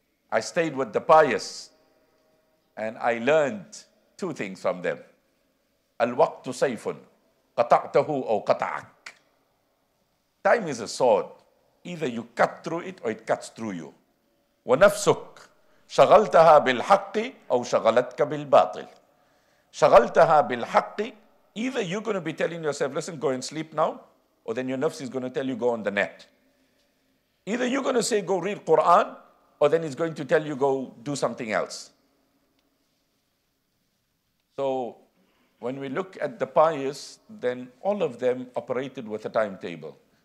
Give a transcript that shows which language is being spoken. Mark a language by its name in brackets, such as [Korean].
[English] I stayed with the pious, and I learned two things from them. [Arabic] Al-waqtu sayfun, qata'tahu aw qata'ak. [English] Time is a sword. either you cut through it or it cuts through you. [Arabic] ونفسك شغلتها بالحق أو شغلتك بالباطل. شغلتها بالحق. [English] Either you're going to be telling yourself, listen, go and sleep now, or then your nafs is going to tell you, go on the net. Either you're going to say, go read Quran, or then it's going to tell you, go do something else. So when we look at the pious, then all of them operated with a timetable.